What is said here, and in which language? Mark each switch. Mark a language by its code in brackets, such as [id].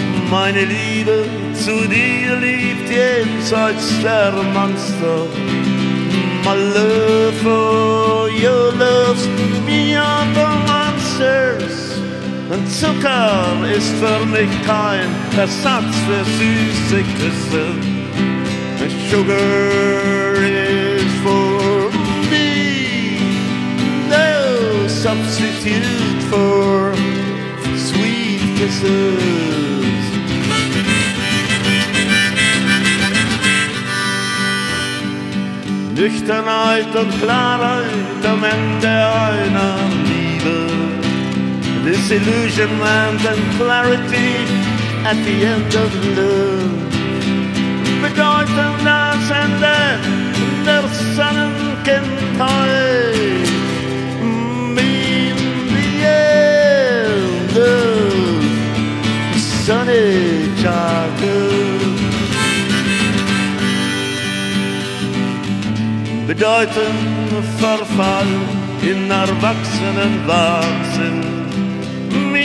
[de] Meine Liebe zu dir liebt jenseits der Monster. [en] My love for your love's beyond the monsters. [de] Und Zucker ist für mich kein Ersatz für süße Küsse. [en] Sugar is for me no substitute for sweet kisses. [de] Nüchternheit und Klarheit am Ende einer Liebe. [en] Disillusionment and clarity at the end of love. [de] Bedeutung das Ende der Sonnenkindheit. [en] In the end of sunny childhood. [de] Bedeutung Verfall in erwachsenen Wahnsinn.